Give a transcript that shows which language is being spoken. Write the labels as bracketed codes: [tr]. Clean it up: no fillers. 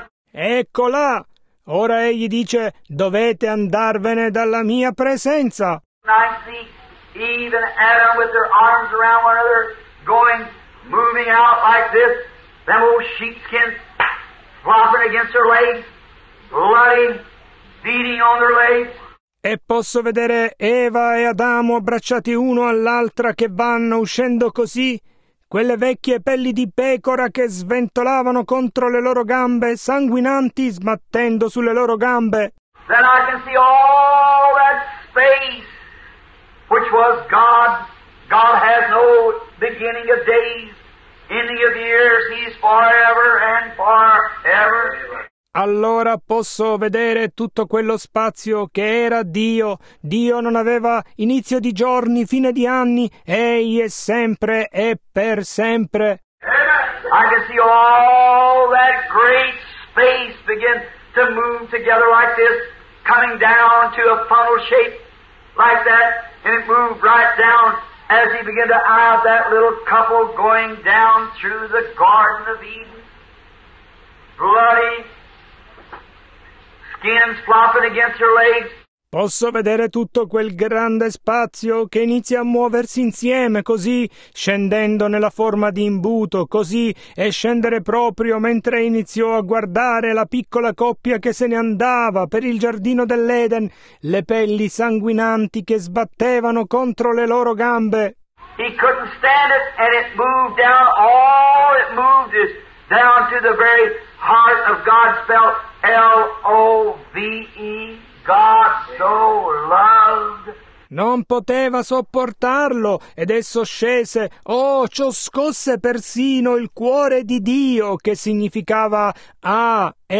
[it] Ecco là! Ora egli dice, dovete andarvene dalla mia presenza! [en] Eve and Adam with their arms around one another, going, moving out like this, them old sheepskins flopping against their legs, bloody, beating on their legs. [it] E posso vedere Eva e Adamo abbracciati uno all'altra che vanno uscendo così, quelle vecchie pelli di pecora che sventolavano contro le loro gambe, sanguinanti, sbattendo sulle loro gambe. [en] Then I can see all that space. Which was God. God has no beginning of days, ending of years, he's forever and forever. [it] Allora posso vedere tutto quello spazio che era Dio. Dio non aveva inizio di giorni, fine di anni, egli è sempre e per sempre. [en] I can see all that great space begin to move together like this, coming down to a funnel shape like that. And it moved right down as he began to eye that little couple going down through the Garden of Eden. Bloody skins flopping against her legs. [it] Posso vedere tutto quel grande spazio che inizia a muoversi insieme, così, scendendo nella forma di imbuto, così, e scendere proprio mentre iniziò a guardare la piccola coppia che se ne andava per il giardino dell'Eden, le pelli sanguinanti che sbattevano contro le loro gambe. [en] He couldn't stand it, and it moved down, all it moved is down to the very heart of God, spelled L-O-V-E. God so loved. [it] Non poteva sopportarlo ed esso scese. Oh, ciò scosse persino il cuore di Dio, che significava A-M-O-R-E.